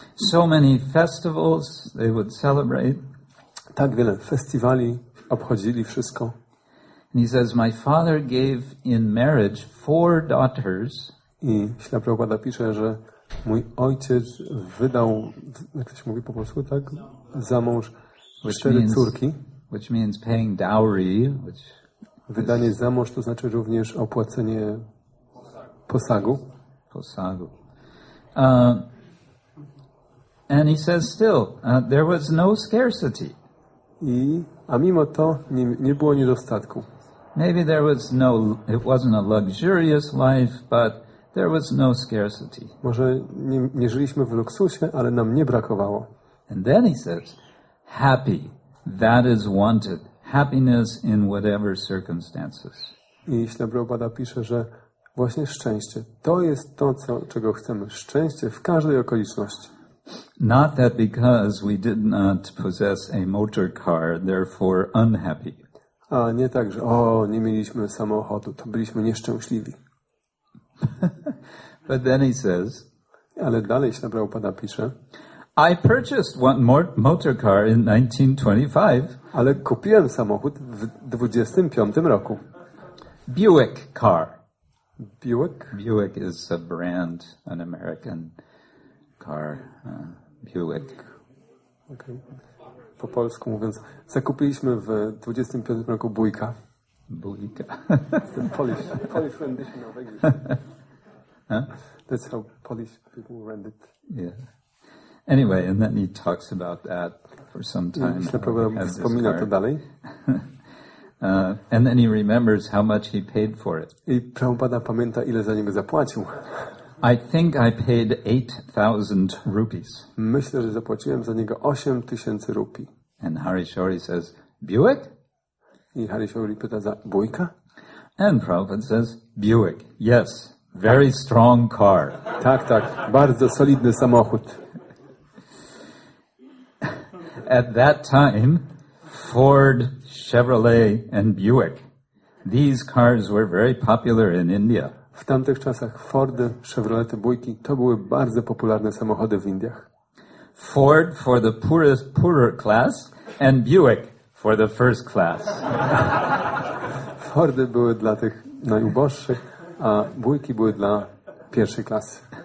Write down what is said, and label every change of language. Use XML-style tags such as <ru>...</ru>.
<en>So many festivals they would celebrate.</en> <pl>Tak wiele festiwali obchodzili wszystko.</pl> <en>And he says, my father gave in marriage four daughters.</en> <pl>I Śla Prabhupada pisze, że mój ojciec wydał, jak to się mówi po polsku, tak? Za mąż cztery córki.</pl> <en>Which means paying dowry, which</en> <pl>wydanie za mąż to znaczy również opłacenie posagu. Posagu.</pl> <en>And he says still, there was no scarcity.</en> <pl>A mimo to nie było niedostatku.</pl> <en>Maybe there was no, it wasn't a luxurious life, but there was no scarcity.</en> <pl>Może nie żyliśmy w luksusie, ale nam nie brakowało.</pl> <en>And then he says, happy, that is wanted. Happiness in whatever circumstances.</en> <pl>I Śla Prabhupada pisze, że właśnie szczęście, to jest to, czego chcemy. Szczęście w każdej okoliczności.</pl> <en>Not that because we did not possess a motor car, therefore unhappy.</en> <pl>A nie tak, że nie mieliśmy samochodu, to byliśmy nieszczęśliwi.</pl> <en>But then he says,</en> <pl>ale dalej Śla Prabhupada pisze,</pl> <en>I purchased one motor car in 1925.</en> <pl>Ale kupiłem samochód w 25 roku.</pl> <en>Buick car. Buick? Buick is a brand, an American car. Buick. Okay.</en> <pl>Po polsku mówiąc, zakupiliśmy w 25 roku Bujka. Bujka.</pl> <en>Ten Polish rendition of English. Huh? That's how Polish people rend it. Yeah. Anyway, and then he talks about that for some time.</en> <pl>Wspomina to dalej.</pl> <en>And then he remembers how much he paid for it.</en> <pl>I Prabhupada pamięta, ile za niego zapłacił.</pl> <en>I think I paid 8,000 rupees.</en> <pl>Myślę, że zapłaciłem za niego 8,000 rupii.</pl> <en>And Harishori says, Buick?</en> <pl>I Harishori pyta za Bujka?</pl> <en>And Prabhupada says, Buick. Yes, very strong car.</en> <pl>Tak, tak, bardzo solidny samochód.</pl> <en>At that time, Ford, Chevrolet and Buick. These cars were very popular in India.</en> <pl>W tamtych czasach Fordy, Chevrolety, Buicki to były bardzo popularne samochody w Indiach.</pl> <en>Ford for the poorer class and Buick for the first class.</en> <pl>Fordy były dla tych najuboższych, a Buicki były dla pierwszej klasy.</pl>